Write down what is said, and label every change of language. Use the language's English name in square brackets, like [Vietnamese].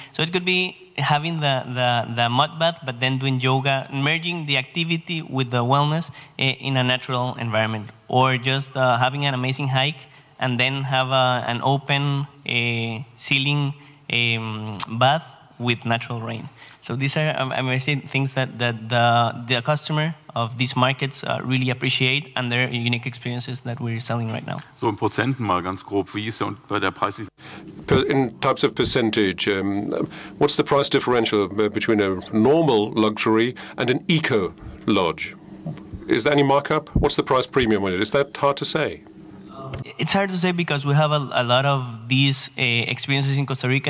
[English] So it could be having the mud bath, but then doing yoga, merging the activity with the wellness in a natural environment, or just having an amazing hike and then have an open ceiling bath with natural rain. So these are amazing things that the customer of these markets really appreciate and their unique experiences that we're selling right now. [German] So in Prozenten mal ganz grob, wie ist und bei der Preis? [English] In types of percentage, what's the price differential between a normal luxury and an eco lodge? Is there any markup? What's the price premium on it? Is that hard to say? It's hard to say because we have a lot of these experiences in Costa Rica.